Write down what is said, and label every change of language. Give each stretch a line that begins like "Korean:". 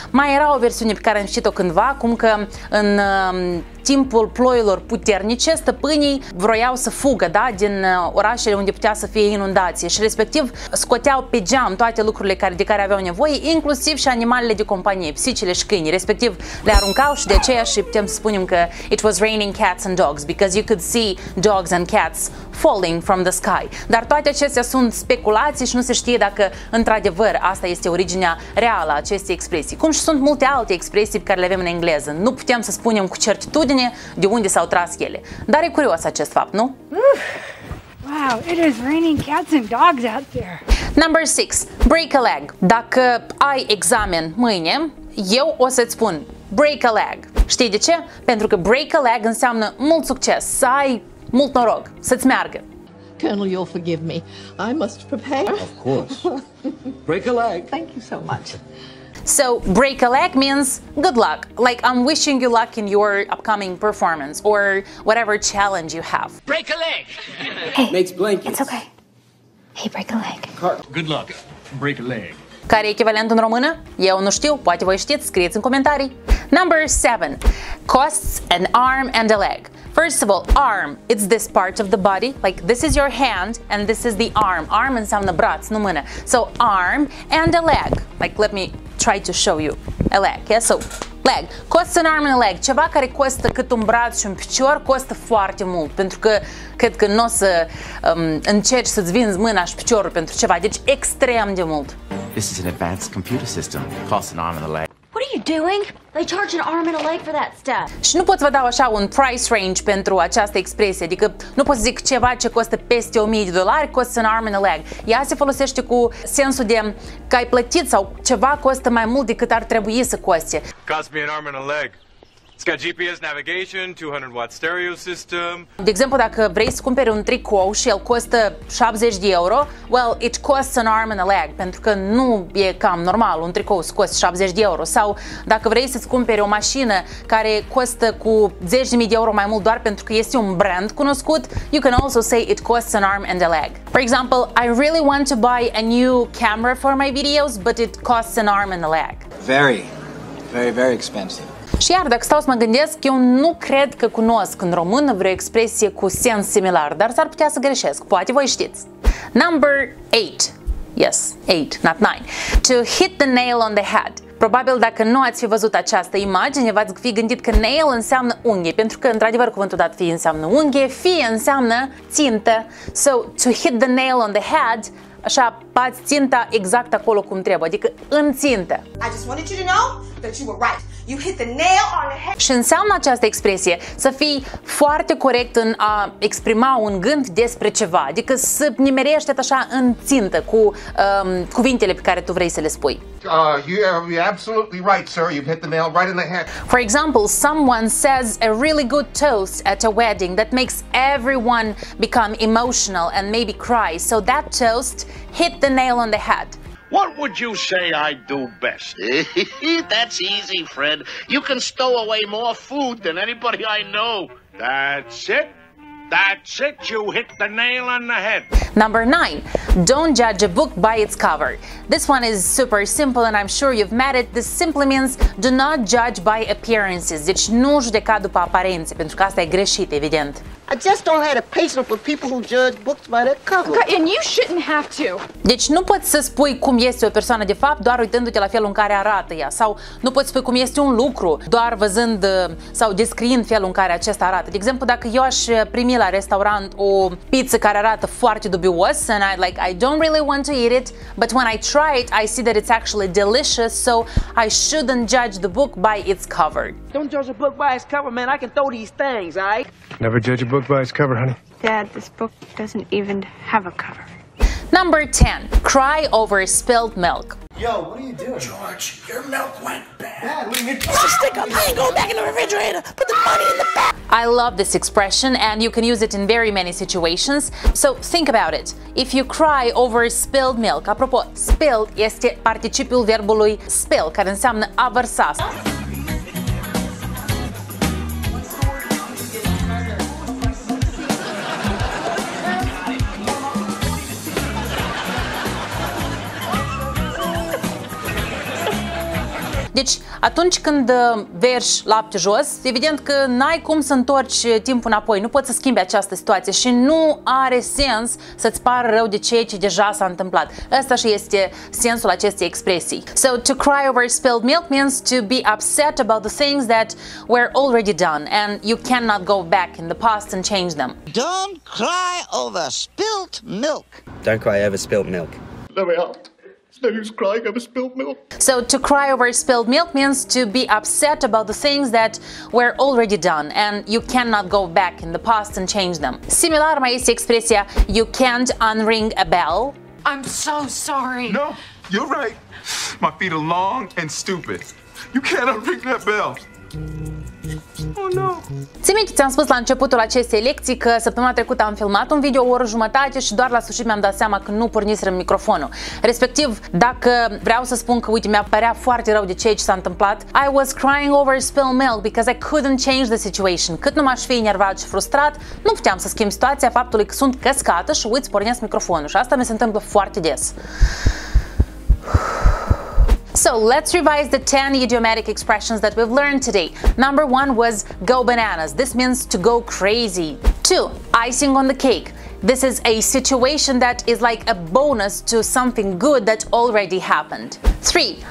Romanian: Mai era o versiune pe care am citit-o cândva, cum că în timpul ploilor puternice, stăpânii vroiau să fugă, da, din orașele unde putea să fie inundație și respectiv scoteau pe geam toate lucrurile de care aveau nevoie, inclusiv și animalele de companie, psicile și câinii, respectiv le aruncau și de aceea și putem să spunem că
English: it was raining cats and dogs because you could see dogs and cats falling from the sky.
Romanian: Dar toate acestea sunt speculații și nu se știe dacă într-adevăr asta este originea reală a acestei expresii. Cum și sunt multe alte expresii pe care le avem în engleză. Nu putem să spunem cu certitudine de unde s-au tras ele. Dar e curios acest fapt, nu?
English: Wow, it is raining cats and dogs out there. Number 6. Break a leg.
Romanian: Dacă ai examen mâine, eu o să-ți spun
English: break a leg.
Romanian: Știi de ce? Pentru că
English: break a leg
Romanian: înseamnă mult succes, să ai mult noroc, să-ți meargă.
English: Colonel, you'll forgive me. I must prepare. Of course. Break a leg. Thank you so much. So, break a leg means good luck. Like, I'm wishing you luck in your upcoming performance or whatever challenge you have. Break a leg! Hey, makes blankets. It's okay. Hey, break a leg. Good luck. Break a leg.
Romanian: Care e echivalentul în română? Eu nu știu, poate voi știți, scrieți în comentarii.
English: Number 7. Costs an arm and a leg. First of all, arm, it's this part of the body, like this is your hand and this is the arm.
Romanian: Arm înseamnă braț, nu mână.
English: So arm and a leg, like let me try to show you a leg, yeah? So leg, costs an arm and a leg.
Romanian: Ceva care costă cât un braț și un picior costă foarte mult, pentru că cred că n-o să încerci să-ți vinzi mâna și piciorul pentru ceva, deci extrem de mult.
English: This is an advanced computer system. Costs an arm and a leg. What are you doing? They charge an arm and a leg for that stuff.
Romanian: Și nu pot să vă dau așa un price range pentru această expresie. Adică nu pot să zic ceva ce costă peste $1,000,
English: costs an arm and a leg.
Romanian: Ea se folosește cu sensul de că ai plătit sau ceva costă mai mult decât ar trebui să coste.
English: Cost me an arm and a leg. It's got GPS navigation, 200-watt stereo system.
Romanian: De exemplu, dacă vrei să cumperi un tricou și el costă 70 de euro,
English: well, it costs an arm and a leg,
Romanian: pentru că nu e cam normal un tricou să costă 70 de euro. Sau dacă vrei să-ți cumperi o mașină care costă cu 10.000 de euro mai mult doar pentru că este un brand cunoscut,
English: you can also say it costs an arm and a leg. For example, I really want to buy a new camera for my videos, but it costs an arm and a leg. Very, very, very expensive.
Romanian: Și iar, dacă stau să mă gândesc, eu nu cred că cunosc în română vreo expresie cu sens similar, dar s-ar putea să greșesc, poate voi știți.
English: Number 8. Yes, 8, not 9. To hit the nail on the head.
Romanian: Probabil dacă nu ați fi văzut această imagine, v-ați fi gândit că nail înseamnă unghie, pentru că, într-adevăr, cuvântul dat fie înseamnă unghie, fie înseamnă țintă.
English: So, to hit the nail on the head,
Romanian: așa, bați ținta exact acolo cum trebuie, adică în țintă.
English: I just wanted you to know that you were right. You hit the nail on the head.
Romanian: Și înseamnă această expresie să fii foarte corect în a exprima un gând despre ceva, adică să nimerești așa în țintă cu cuvintele pe care tu vrei să le spui.
English: You're absolutely right, sir. You've hit the nail right in the head. For example, someone says a really good toast at a wedding that makes everyone become emotional and maybe cry. So that toast hit the nail on the head. What would you say I do best? That's easy, Fred. You can stow away more food than anybody I know. That's it. That's it. You hit the nail on the head. Number 9. Don't judge a book by its cover. This one is super simple and I'm sure you've met it. This simply means do not judge by appearances.
Romanian: Deci nu judeca după aparențe, pentru că asta e greșit, evident.
English: I just don't have the patience for people who judge books by their cover. Okay, and you shouldn't have to.
Romanian: Deci nu poți să spui cum este o persoană de fapt doar uitându-te la felul în care arată ea, sau nu poți spui cum este un lucru doar văzând sau descriind felul în care acesta arată. De exemplu, dacă eu aș primi la restaurant o pizza care arată foarte dubios
English: and I don't really want to eat it, but when I try it, I see that it's actually delicious, so I shouldn't judge the book by its cover. Don't judge a book by its cover, man. I can throw these things, all right? Never judge a book by its cover, honey. Dad, this book doesn't even have a cover. Number 10. Cry over spilled milk. Yo, what are you doing? George, your milk went bad. Dad, what are you doing? Just stick up. I ain't going back in the refrigerator. Put the money in the back. I love this expression and you can use it in very many situations. So think about it. If you cry over spilled milk,
Romanian: apropo, spilled este participiul verbului spill, care înseamnă a vărsa. Deci, atunci când verși lapte jos, evident că n-ai cum să întorci timpul înapoi, nu poți să schimbi această situație și nu are sens să-ți pară rău de ceea ce deja s-a întâmplat. Ăsta și este sensul acestei expresii.
English: So, to cry over spilled milk means to be upset about the things that were already done and you cannot go back in the past and change them. Don't cry over spilled milk. Don't cry over spilled milk. Let me help. No use crying over spilled milk. So to cry over spilled milk means to be upset about the things that were already done and you cannot go back in the past and change them.
Romanian: Similar mai este expresia,
English: you can't unring a bell. I'm so sorry. No, you're right. My feet are long and stupid. You cannot ring that bell. Oh, no.
Romanian: Ți-mi minte, ți-am spus la începutul acestei lecții că săptămâna trecută am filmat un video o oră jumătate și doar la sfârșit mi-am dat seama că nu pornisem microfonul. Respectiv, dacă vreau să spun că, uite, mi-a părea foarte rău de ceea ce s-a întâmplat,
English: I was crying over spilled milk because I couldn't change the situation.
Romanian: Cât nu m-aș fi enervat și frustrat, nu puteam să schimb situația faptului că sunt căscată și, uite, pornesc microfonul. Și asta mi se întâmplă foarte des.
English: So let's revise the 10 idiomatic expressions that we've learned today. Number 1 was go bananas. This means to go crazy. 2. Icing on the cake. This is a situation that is like a bonus to something good that already happened. 3.